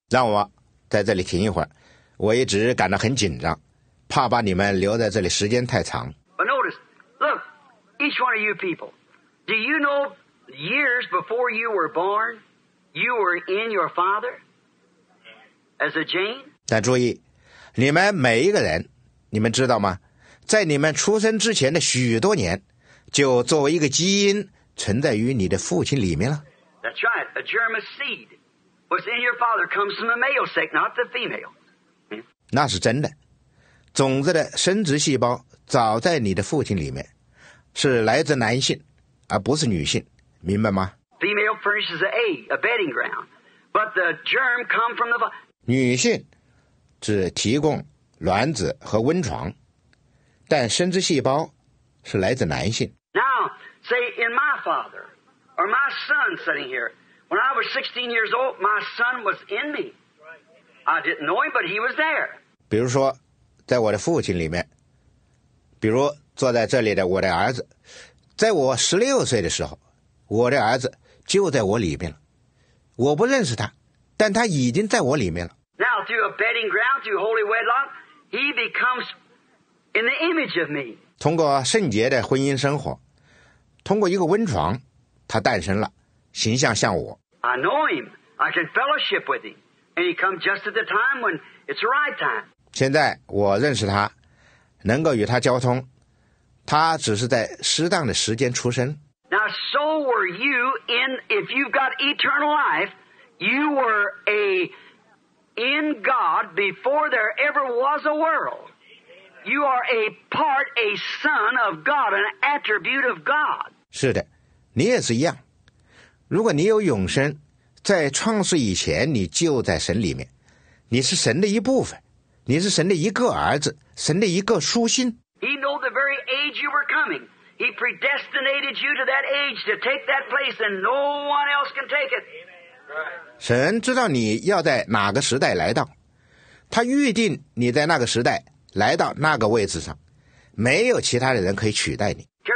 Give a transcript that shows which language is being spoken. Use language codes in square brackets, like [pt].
[zh] 让我在这里停一会儿。我一直感到很紧张，怕把你们留在这里时间太长。 [en] But notice, look, each one of you people, do you know years before you were born, you were in your father as a Jane? [zh] 但注意，你们每一个人，你们知道吗？在你们出生之前的许多年，就作为一个基因存在于你的父亲里面了。 [en] That's right. A germ of seed was in your father comes from the male sex, not the female. [zh] 那是真的。种子的生殖细胞早在你的父亲里面，是来自男性，而不是女性，明白吗 [en] ？Female furnishes a bedding ground, but the germ come from the [zh] 女性只提供卵子和温床。但生殖细胞是来自男性。 [en] Now, say in my father or my son sitting here, when I was 16 years old, my son was in me. I didn't know him, but he was there. [zh] 比如说，在我的父亲里面，比如坐在这里的我的儿子，在我16岁的时候，我的儿子就在我里面了。我不认识他，但他已经在我里面了。 [en] Now, through a bedding ground, through holy wedlock, he becomes. In the image of me. [zh] 通过圣洁的婚姻生活，通过一个温床，他诞生了，形象像我。 [en] I know him. I can fellowship with him, and he comes just at the time when it's the right time. [zh] 现在我认识他，能够与他交通，他只是在适当的时间出生。 [en] Now, so were you in? If you've got eternal life, you were a in God before there ever was a world. You are a part, a son of God, an attribute of God. [zh] 是的，你也是一样。如果你有永生，在创世以前，你就在神里面，你是神的一部分，你是神的一个儿子，神的一个书信。 [en] He knew the very age you were coming. He predestinated you to that age to take that place, and no one else can take it. [zh] 神知道你要在哪个时代来到，他预定你在那个时代来到那个位置上，没有其他的人可以取代你。